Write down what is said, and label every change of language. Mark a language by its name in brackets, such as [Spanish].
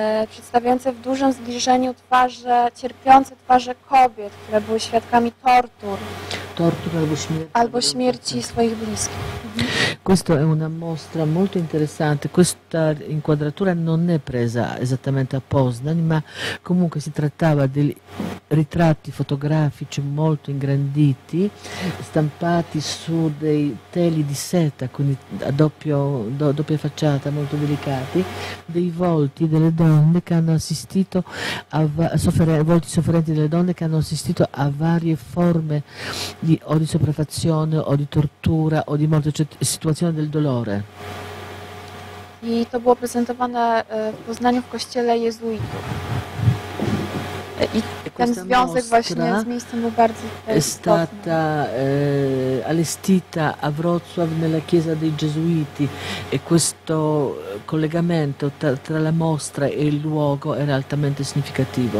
[Polish] Przedstawiające w dużym zbliżeniu twarze, cierpiące twarze kobiet, które były świadkami tortur. Tortur albo śmierci. Albo śmierci swoich bliskich. [Italian] Questa è una mostra molto interessante. Questa inquadratura non è presa esattamente a Poznań, ma comunque si trattava di ritratti fotografici molto ingranditi, stampati su dei teli di seta, quindi a doppia facciata, molto delicati, dei volti delle donne che hanno assistito a volti sofferenti delle donne che hanno assistito a varie forme di o di sopraffazione o di tortura o di morte. Cioè, situazione del dolore. [Polish] I to było prezentowane w Poznaniu w kościele jezuitów. I ten związek właśnie z miejscem był bardzo istotny. [Italian] È stata allestita a Wrocław nella chiesa dei gesuiti e questo collegamento tra la mostra e il luogo era altamente significativo.